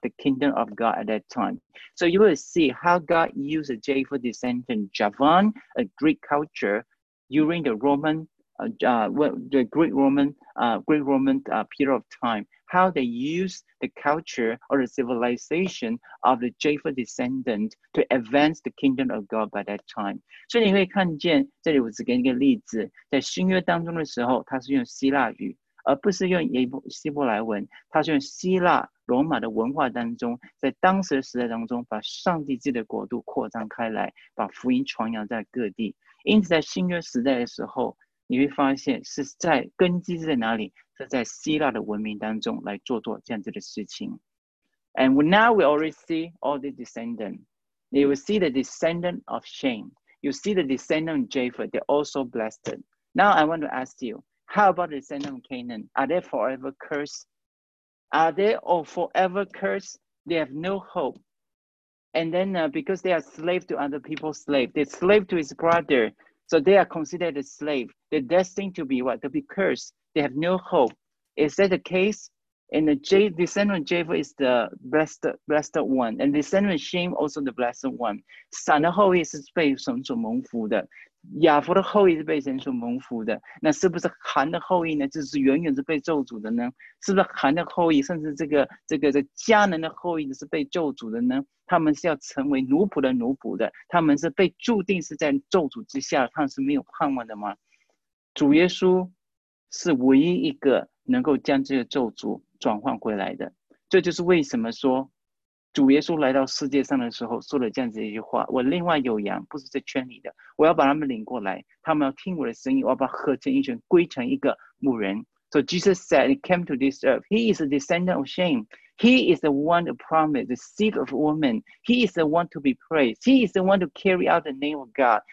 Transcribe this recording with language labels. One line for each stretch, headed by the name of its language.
English: The kingdom of God at that time. So you will see how God used a Japheth descendant, Javan, a Greek culture,during the Roman the Greek Roman, period of time, how they use the culture or the civilization of the Japheth descendant to advance the kingdom of God by that time.
Chinese: 所以你会看见，这里我只给你一个例子，在新约当中的时候，它是用希腊语，而不是用希伯来文，它是用希腊罗马的文化当中，在当时的时代当中，把上帝自己的国度扩张开来，把福音传扬在各地。因此在新约时代的时候，你会发现是在根基是在哪里，是在希腊的文明当中来做这样子的事情。
English: And now we already see all the descendants. You will see the descendant of Shem. You see the descendant of Japheth. They're also blessed. Now I want to ask you, how about the descendant of Canaan? Are they forever cursed? Are they all forever cursed? They have no hope. And then because they are slave to other people's slave, they're slave to his brother. So they are considered a slave. They're destined to be what? To be cursed. They have no hope. Is that the case? And the descendant of Japheth is the blessed one. And the descendant of Shem also the blessed one.
Chinese: 闪的后裔是被神所蒙福的。亚弗的后裔是被神所蒙福的。那是不是韩的后裔呢？就是远远是被咒诅的呢？是不是韩的后裔，甚至这个迦南的后裔是被咒诅的呢？他们是要成为奴仆的奴仆的，他们是被注定是在咒诅之下，他们是没有盼望的吗？主耶稣是唯一一个能够将这个咒诅转换回来的。这就是为什么说主耶稣来到世界上的时候说了这样子一句话，我另外有羊不是在圈里的，我要把他们领过来，他们要听我的声音，我要把合成一群归成一个牧人。
English: So Jesus said he came to this earth. He is a descendant of Shem. He is the one to promise the seed of woman. He is the one to be praised. He is the one to carry out the name of God.